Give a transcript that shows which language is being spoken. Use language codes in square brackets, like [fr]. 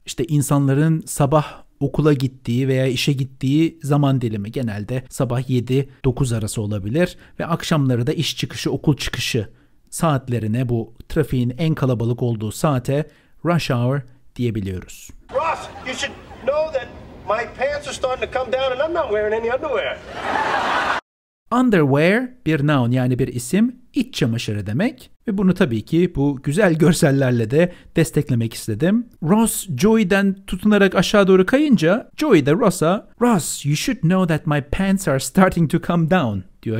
[tr] İşte insanların sabah okula gittiği veya işe gittiği zaman dilimi genelde sabah 7-9 arası olabilir. Ve akşamları da iş çıkışı, okul çıkışı saatlerine, bu trafiğin en kalabalık olduğu saate rush hour diyebiliyoruz. [en] Ross, you should know that my pants are starting to come down and I'm not wearing any underwear. [tr] Underwear bir noun, yani bir isim, iç çamaşırı demek ve bunu tabii ki bu güzel görsellerle de desteklemek istedim. Ross Joey'den tutunarak aşağı doğru kayınca Joey de Ross'a [en] Ross you should know that my pants are starting to come down [tr] diyor.